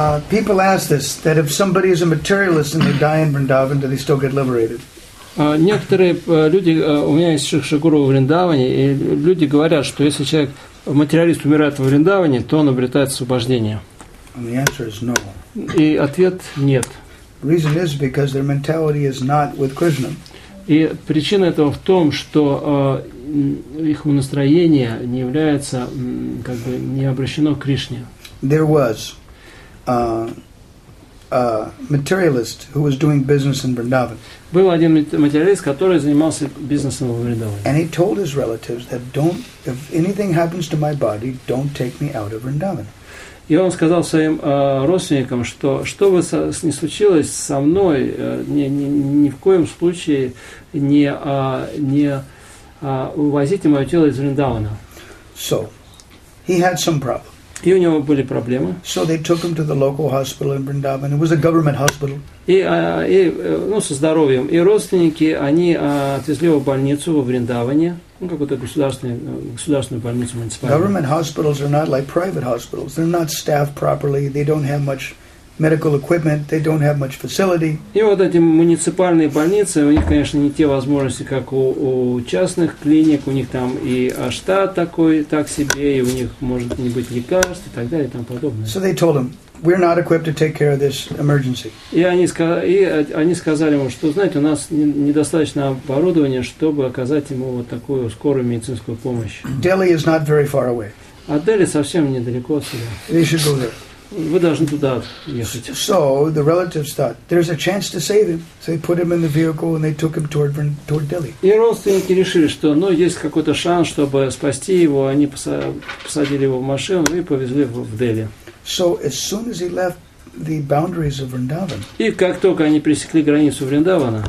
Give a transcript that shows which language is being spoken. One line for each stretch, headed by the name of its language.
English: People ask this, that if somebody is a materialist and they die in Vrindavan, do they still get liberated?
Russian: Некоторые люди, у меня есть шикшагуру в Вриндаване, и люди говорят, что если человек, материалист, умирает в Вриндаване, то он обретает освобождение.
English: And the answer is no.
Russian: И ответ – нет.
English: Reason is because their mentality is not with Krishna.
Russian: И причина этого в том, что их настроение не является, как бы, не обращено к Кришне.
English: There was a materialist who was doing business in Vrindavan.
Russian: Был один материалист, который занимался бизнесом в Вриндаване.
English: And he told his relatives that don't, if anything happens to my body, don't take me out of Vrindavan.
Russian: И он сказал своим родственникам, что что бы ни случилось со мной, ни в коем случае не увозите мое тело из Вриндавана.
English: So, he had some problem.
Russian: И у него были проблемы.
English: So they took him to the local hospital in Vrindavan. It was a government hospital.
Russian: И со здоровьем. И родственники, они отвезли его в больницу в Вриндаване, какую-то государственную больницу муниципальную.
English: Government hospitals are not like private hospitals. They're not staffed properly. They don't have much medical equipment, they don't have much facility.
Russian: И вот эти муниципальные больницы, у них, конечно, не те возможности, как у частных клиник, у них там и штат такой так себе, и у них может не быть лекарств и так далее и тому подобное.
English: So they told him, we're not equipped to take care of this emergency.
Russian: И они сказали ему, что, знаете, у нас недостаточно оборудования, чтобы оказать ему вот такую скорую медицинскую помощь.
English: Delhi is not very far away.
Russian: А Дели совсем недалеко отсюда.
English: They should go there.
Russian: Вы должны туда ехать.
English: So the relatives thought there's a chance to save him. So they put him in the vehicle and they took him toward Delhi.
Russian: И родственники решили, что, ну, есть какой-то шанс, чтобы спасти его, они посадили его в машину и повезли в Дели.
English: So as soon as he left the boundaries of Vrindavan.
Russian: И как только они пересекли границу Вриндавана.